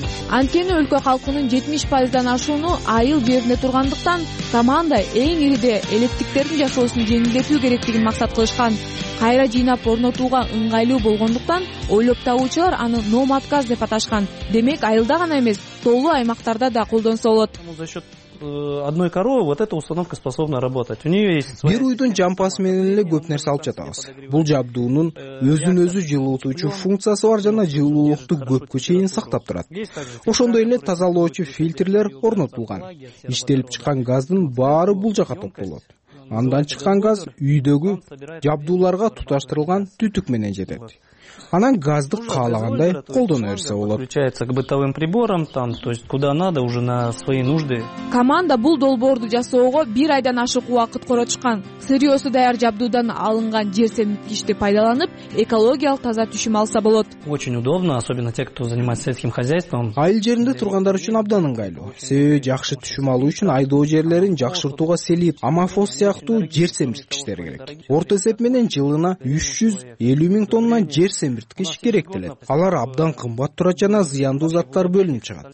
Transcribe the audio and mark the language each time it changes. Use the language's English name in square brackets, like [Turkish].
[Kyrgyz] Анткени өлкө калкынын 70% ашууну айыл жеринде тургандыктан команда эң ириде элеттиктердин жашоосун жеңилдетүү керектигин максат кылышкан. Кайра жыйнап орнотууга ыңгайлуу болгондуктан ойлоп табуучулар аны номадказ деп аташкан. Демек айылда гана эмес, тоолуу аймактарда да колдонсо болот. [Russian] Одной коровы вот эта установка способна работать. У неё есть [Kyrgyz] бир уйдун жампасы менен эле көп нерсе алып жатабыз. Бул жабдуунун өзүн өзү жылуутуучу функциясы бар жана жылуулукту көпкө чейин сактап турат. Ошондой эле тазалоочу фильтрлер орнотулган. Иштелип чыккан газдын баары бул жака топтолот. Андан чыккан газ үйдөгү жабдууларга туташтырылган түтүк менен жетет. Анан газды каалагандай колдоно берсе болот. [Russian] Включается к бытовым приборам там, то есть куда надо уже на свои нужды. [Kyrgyz] Команда бул долбоорду жасоого бир айдан ашык убакыт коротушкан. Сырьёсу даяр жабдуудан алынган жер семирткичти пайдаланып, экологиялык таза түшүм алса болот. [Russian] Очень удобно, особенно те, кто занимается сельским хозяйством. [Kyrgyz] Айыл жеринде тургандар үчүн абдан ыңгайлуу. Себеби жакшы түшүм алуу үчүн айдоо жерлерин жакшыртууга селит, амафос сыяктуу жер семирткичтер керек. Орто эсеп менен жылына 350 000 тонна жер семирткич керектелет. Алар абдан кымбат турат жана зыяндуу заттар бөлүнүп чыгат.